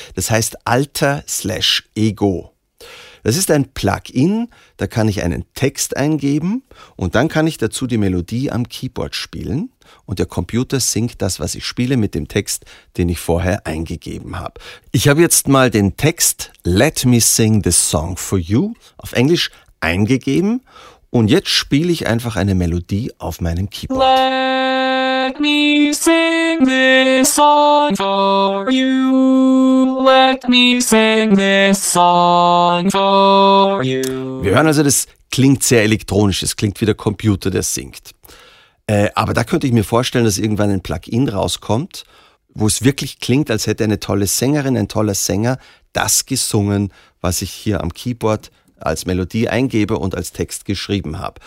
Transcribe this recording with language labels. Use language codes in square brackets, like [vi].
[de] Das heißt Alter/Ego. Das ist ein Plugin, da kann ich einen Text eingeben und dann kann ich dazu die Melodie am Keyboard spielen und der Computer singt das, was ich spiele, mit dem Text, den ich vorher eingegeben habe. Ich habe jetzt mal den Text [en] Let me sing this song for you [de] auf Englisch eingegeben und jetzt spiele ich einfach eine Melodie auf meinem Keyboard. [en] Let me sing this song for you. Let me sing this song for you. [de] Wir hören also, das klingt sehr elektronisch. Es klingt wie der Computer, der singt. Aber da könnte ich mir vorstellen, dass irgendwann ein Plugin rauskommt, wo es wirklich klingt, als hätte eine tolle Sängerin, ein toller Sänger das gesungen, was ich hier am Keyboard als Melodie eingebe und als Text geschrieben habe.